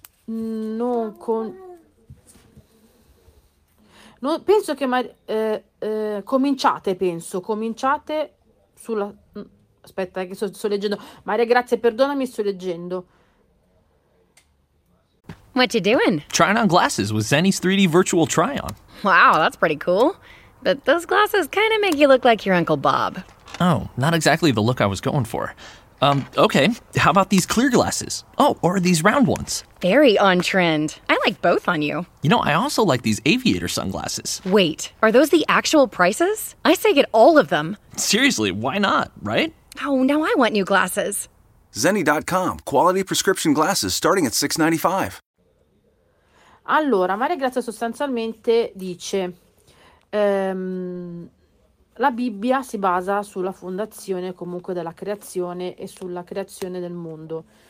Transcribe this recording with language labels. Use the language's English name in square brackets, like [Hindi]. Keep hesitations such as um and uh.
[Italian] Non con... No, [English] I think [Italian] mai, eh, eh, cominciate, penso, cominciate sulla... Aspetta, che so, sto leggendo. Maria, grazie, perdonami, sto leggendo. [English] What you doing? Trying on glasses with Zenny's 3D virtual try-on. Wow, that's pretty cool. But those glasses kind of make you look like your Uncle Bob. Oh, not exactly the look I was going for. Um, okay. How about these clear glasses? Oh, or these round ones? Very on trend. I like both on you. You know, I also like these aviator sunglasses. Wait, are those the actual prices? I say get all of them. Seriously, why not, right? Oh, now I want new glasses. Zenny.com, quality prescription glasses starting at 695. [Italian] Allora, Maria Grazia sostanzialmente dice. Um, La Bibbia si basa sulla fondazione comunque della creazione e sulla creazione del mondo.